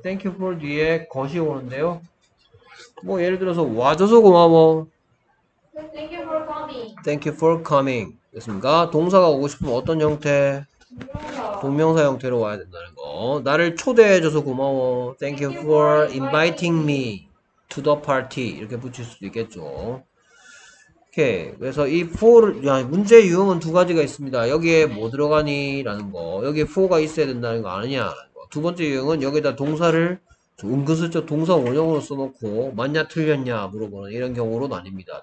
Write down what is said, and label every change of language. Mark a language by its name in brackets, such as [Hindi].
[English] thank you for [Korean] 뒤에 것이 오는데요. 뭐 예를 들어서 와줘서 고마워. [English] thank you for coming. thank you for coming. [Korean] 됐습니까? 동사가 오고 싶으면 어떤 형태? 동명사 형태로 와야 된다는 거. 나를 초대해줘서 고마워. [English] thank you for inviting me to the party. [Korean] 이렇게 붙일 수도 있겠죠. 오케이. 그래서 이 for, 야, 문제 유형은 두 가지가 있습니다. 여기에 뭐 들어가니? 라는 거. 여기에 for가 있어야 된다는 거 아니냐? 두 번째 유형은 여기다 동사를 은근슬쩍 동사 원형으로 써놓고 맞냐 틀렸냐 물어보는 이런 경우로 나뉩니다.